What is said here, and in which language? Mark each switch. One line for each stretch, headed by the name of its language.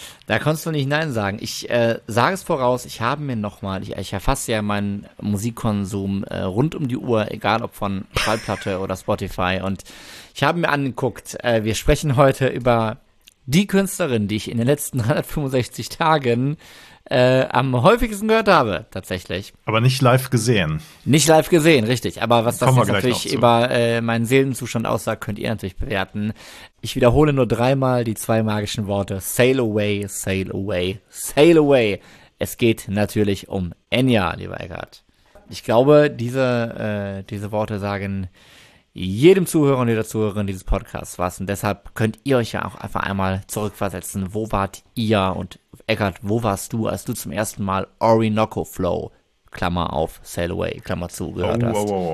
German: Da konntest du nicht Nein sagen. Ich sage es voraus, ich habe mir nochmal, ich erfasse ja meinen Musikkonsum rund um die Uhr, egal ob von Schallplatte oder Spotify, und ich habe mir angeguckt, wir sprechen heute über die Künstlerin, die ich in den letzten 365 Tagen am häufigsten gehört habe, tatsächlich. Aber nicht live gesehen. Nicht live gesehen, richtig. Aber was das jetzt natürlich über meinen Seelenzustand aussagt, könnt ihr natürlich bewerten. Ich wiederhole nur dreimal die zwei magischen Worte.
English: Sail away, sail away, sail away.
German: Es geht natürlich um Enya, lieber Eckart. Ich glaube, diese Worte sagen jedem Zuhörer und jeder Zuhörerin dieses Podcasts was. Und deshalb könnt ihr euch ja auch einfach einmal zurückversetzen. Wo wart ihr? Und Eckart, wo warst du, als du zum ersten Mal Orinoco Flow, Klammer auf, Sail Away, Klammer zu, gehört hast?